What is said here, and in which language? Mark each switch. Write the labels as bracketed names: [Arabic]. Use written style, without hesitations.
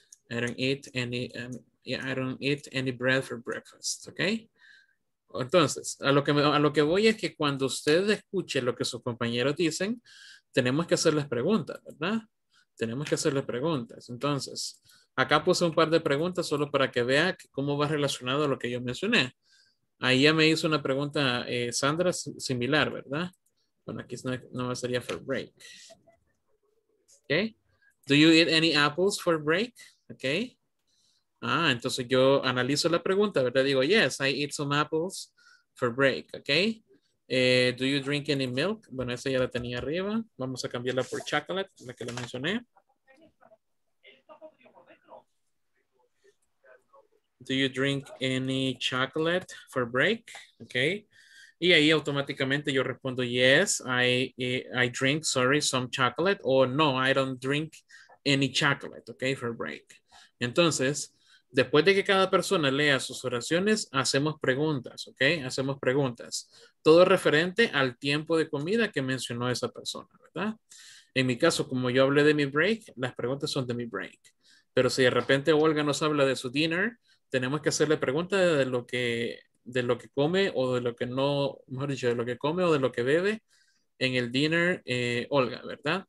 [English] I don't eat any bread for breakfast, ¿ok? [Spanish] Entonces, a lo que voy es que cuando usted escuche lo que sus compañeros dicen, tenemos que hacerles preguntas, ¿verdad? Tenemos que hacerles preguntas. Entonces, acá puse un par de preguntas solo para que vea cómo va relacionado a lo que yo mencioné. Ahí ya me hizo una pregunta Sandra similar, ¿verdad? Bueno, aquí no sería for break. Okay. [English] Do you eat any apples for break? Okay. [Spanish] Ah, entonces yo analizo la pregunta, ¿verdad? Digo, [English] yes, I eat some apples for break. Okay. Do you drink any milk? [Spanish] Bueno, esa ya la tenía arriba. Vamos a cambiarla por chocolate, la que la mencioné. [English] Do you drink any chocolate for break? Okay. [Spanish] Y ahí automáticamente yo respondo, [English] yes, I drink, sorry, some chocolate. O no, I don't drink any chocolate, okay, for break. [Spanish] Entonces, después de que cada persona lea sus oraciones, hacemos preguntas, ok, hacemos preguntas. Todo referente al tiempo de comida que mencionó esa persona, ¿verdad? En mi caso, como yo hablé de mi break, las preguntas son de mi break. Pero si de repente Olga nos habla de su dinner, tenemos que hacerle preguntas de lo que come o de lo que no, mejor dicho, de lo que come o de lo que bebe en el dinner, Olga, ¿verdad?